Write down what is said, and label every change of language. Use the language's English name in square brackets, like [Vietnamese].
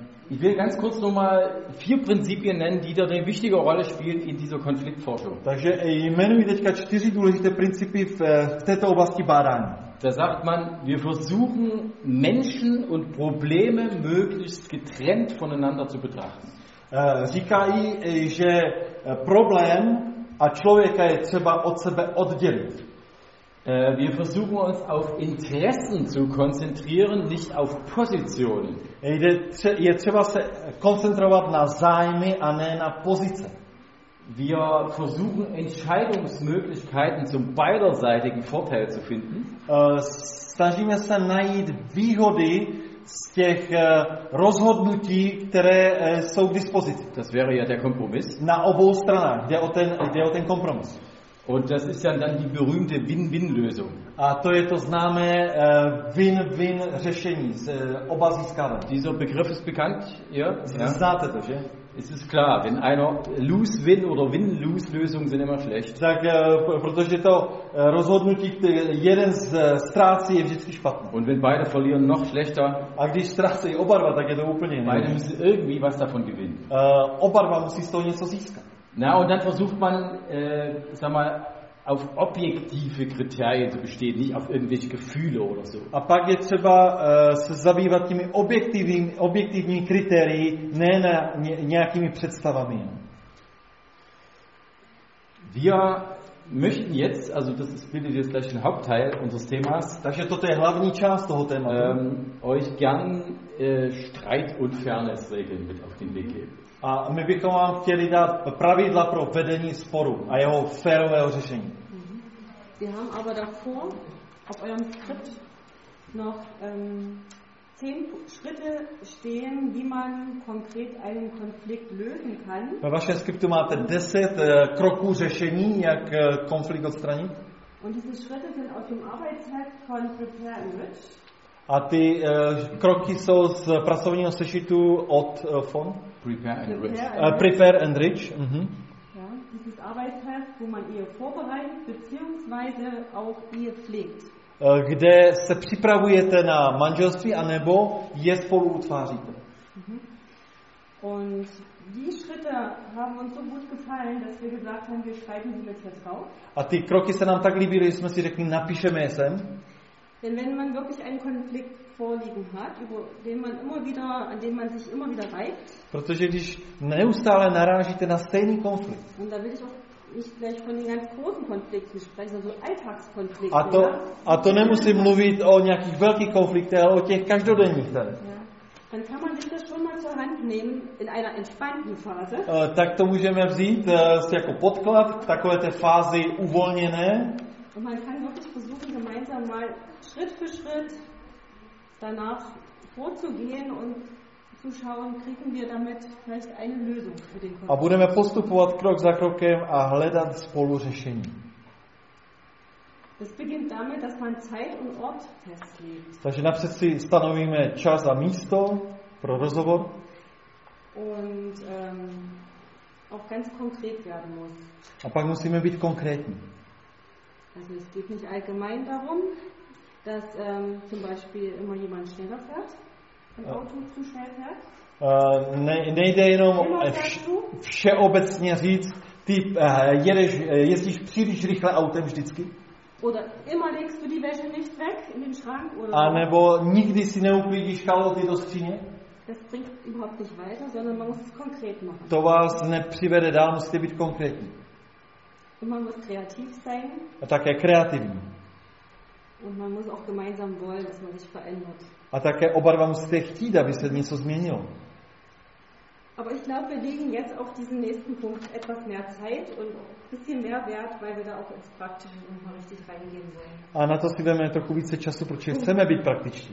[German] Ich will ganz kurz nochmal vier Prinzipien nennen, die da eine wichtige Rolle spielen in dieser Konfliktforschung. [Czech] Takže jmenuji teďka čtyři důležité principy v této oblasti bádání. [German] Da sagt man, wir versuchen Menschen und Probleme möglichst getrennt voneinander zu betrachten. [Czech] Říkají, že problém a člověka je třeba od sebe oddělit. [German] Wir versuchen uns auf Interessen zu konzentrieren, nicht auf Positionen. [Czech] Je třeba se koncentrovat na zájmy a ne na pozice. [German] Wir versuchen Entscheidungsmöglichkeiten zum beiderseitigen Vorteil zu finden. [Czech] Snažíme se najít výhody z těch rozhodnutí, které jsou k dispozici. [German] Das wäre ja der Kompromiss. [Czech] Na obou stranách, jde o ten kompromis. [German] Und das ist ja dann die berühmte Win-Win-Lösung. [Czech] A to je to známé Win-Win řešení, oba získávají. [German] Dieser Begriff ist bekannt, ja? [Czech] Znáte to, že? [German] Es ist klar, wenn einer Lose-Win oder Win-Lose-Lösung sind immer schlecht. [Czech] Tak, protože to rozhodnutí, jeden z ztrácí, je vždycky špatné. [German] Und wenn beide verlieren, noch schlechter. [Czech] A když ztrácí oba dva, tak je to úplně jiné. [German] Beide müssen irgendwie was davon gewinnen. [Czech] Oba dva musí z toho něco získat. [German] Na, und dann versucht man, sag mal, auf objektive Kriterien zu bestehen, nicht auf irgendwelche Gefühle oder so. [Czech] A pak je třeba se zabývat těmi objektivními kritérii, ne na nějakými představami. [German] Wir möchten jetzt, also das ist bitte jetzt gleich ein Hauptteil unseres Themas, [Czech] takže toto je hlavní část toho tématu, [German] euch gern Streit- und Fairness-Regeln mit auf den Weg geben. [Czech] A my bychom vám chtěli dát pravidla pro vedení sporu a jeho férového řešení. [German] Wir haben aber davor auf eurem Skript noch 10 Schritte stehen, wie man konkret einen Konflikt lösen kann. [Czech] Ve vašem skriptu máte 10 kroků řešení, jak konflikt odstranit. [German] Und diese Schritte sind aus dem Arbeitsheft von Prepare and Rich. [Czech] A ty kroky jsou z pracovního sešitu od FON. [English] Prepare and Rich. [German] Dieses Arbeitsheft, wo man Ehe vorbereitet, beziehungsweise auch Ehe pflegt. [Czech] Kde se připravujete na manželství, anebo je spolu utváříte. [German] Und die Schritte haben uns so gut gefallen, dass wir gesagt haben, wir schreiben sie jetzt auf. [Czech] A ty kroky se nám tak líbily, že jsme si řekli, napíšeme je sem. [German] Denn wenn man wirklich einen Konflikt vorliegen hat, über den man immer wieder, an den man sich immer wieder reibt. [Czech] Protože když neustále narážíte na stejný konflikt. [German] Und da will ich auch nicht gleich von den ganz großen Konflikten sprechen, sondern so Alltagskonflikten. [Czech] A to nemusím mluvit o nějakých velkých konfliktech, ale o těch každodenních tady. [German] Dann kann man sich das schon mal zur Hand nehmen in einer entspannten Phase. [Czech] Tak to můžeme vzít jako podklad v takové té fázi uvolněné. [German] Und man kann wirklich versuchen, gemeinsam mal Schritt für Schritt danach vorzugehen und zu schauen, kriegen wir damit vielleicht eine Lösung für den Konflikt. [Czech] A budeme postupovat krok za krokem a hledat spolu řešení. [German] Es beginnt damit, dass man Zeit und Ort festlegt. [Czech] Takže napřed si stanovíme čas a místo pro rozhovor. [German] Und auch ganz konkret werden muss. [Czech] A pak musíme být konkrétní. [German] Also es geht nicht allgemein darum, dass zum Beispiel immer jemand schneller fährt, ein Auto zu schnell fährt. [Czech] Nejde jenom všeobecně říct, ty jezdíš příliš rychle autem vždycky. [German] Oder immer legst du die Wäsche nicht weg in den Schrank oder [Czech] so. A nebo nikdy si neuklidíš kaloty do skříně. [German] Das bringt überhaupt nicht weiter, sondern man muss es konkret machen. [Czech] To vás nepřivede dál, musíte být konkrétní. [German] Und man muss kreativ sein. [Czech] A také kreativní. [German] Und man muss auch gemeinsam wollen, dass man sich verändert. [Czech] A také oba dva musíte chtít, aby se něco změnilo. [German] Aber ich glaube, wir legen jetzt auf diesen nächsten Punkt etwas mehr Zeit und ein bisschen mehr Wert, weil wir da auch ins Praktische nochmal richtig reingehen sollen. [Czech] A na to si vezmeme trochu více času, protože chceme být praktičtí.